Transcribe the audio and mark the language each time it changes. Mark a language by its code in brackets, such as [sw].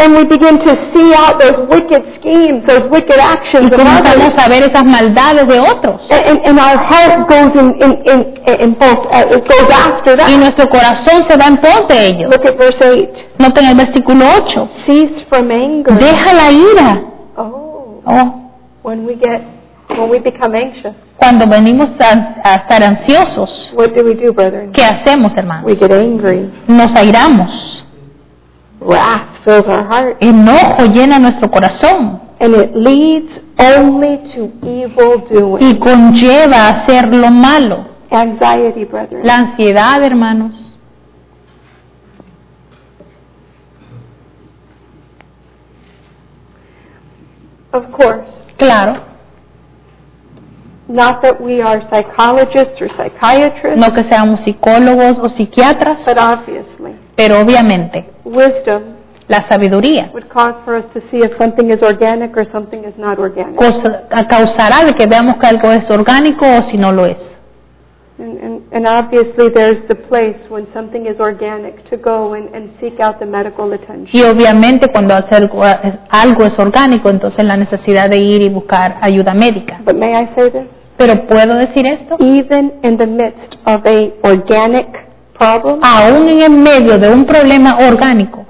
[en] And we begin to see out those wicked schemes, those wicked actions. [es] Y comenzamos a ver esas maldades de otros. [en] And our heart goes in both, it goes after that. [es] Y nuestro corazón se va en pos de ellos. [en] Look at verse 8. [es] Noten el versículo 8. [en] Cease from anger. [es] Deja la ira. [en] Oh. When we become anxious. [es] Cuando venimos a estar ansiosos, [en] what do we do, brethren? [es] ¿Qué hacemos, hermanos? [en] We get angry. [es] Nos airamos. [en] Wrath fills our heart. [es] Enojo llena nuestro corazón. [en] And it leads only to evil doing. [es] Y conlleva a hacer lo malo. [en] Anxiety, brethren. [es] La ansiedad, hermanos. [en] Of course. [es] Claro. [en] Not that we are psychologists or psychiatrists. [es] No que seamos psicólogos o psiquiatras. [en] But obviously. [es] Pero obviamente. [en] Wisdom. [es] La sabiduría. [en] Would cause for us to see if something is organic or something is not organic. [es] Causará de que veamos que algo es orgánico o si no lo es. [en] And obviously there's the place when something is organic to go and seek out the medical attention. [es] Y obviamente cuando algo es orgánico, entonces la necesidad de ir y buscar ayuda médica. [en] But may I say this? [es] ¿Pero puedo decir esto? [en] Even in the midst of a organic problem, [es] aún en el medio de un problema orgánico,